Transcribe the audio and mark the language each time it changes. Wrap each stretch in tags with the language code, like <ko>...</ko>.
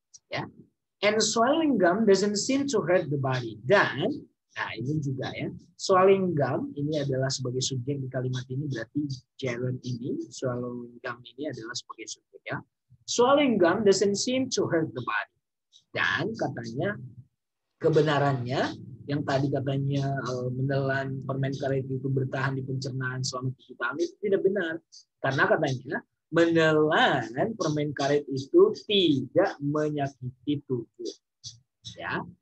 <en>Ya, and swallowing gum doesn't seem to hurt the body.</en> <id>Dan, nah ini juga ya,</id> <en>swallowing gum</en> <id>ini adalah sebagai subjek di kalimat ini berarti gerund ini, swallowing gum ini adalah sebagai subjek ya.</id> <en>Swallowing gum doesn't seem to hurt the body.</en> <id>Dan katanya kebenarannya yang tadi katanya menelan permen karet itu bertahan di pencernaan selama 7 tahun itu tidak benar karena katanya menelan permen karet itu tidak menyakiti tubuh. Ya.</id>